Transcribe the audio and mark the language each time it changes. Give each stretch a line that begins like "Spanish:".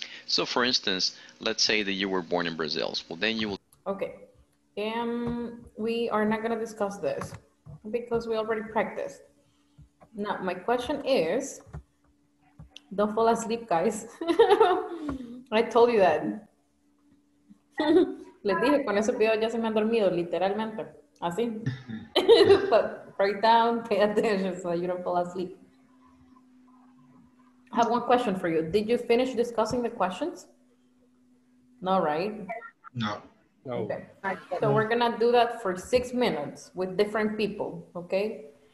English: So, for instance, let's say that you were born in Brazil. Well, then you will... Okay. We are not going to discuss this. because we already practiced. Now, my question is, don't fall asleep, guys. I told you that.
Spanish: Les dije, con ese video ya se me han dormido, literalmente. Así.
English: But write down, pay attention so you don't fall asleep. I have one question for you. Did you finish discussing the questions? No, right? No. No. Okay. So we're going to do that for 6 minutes with different people, okay?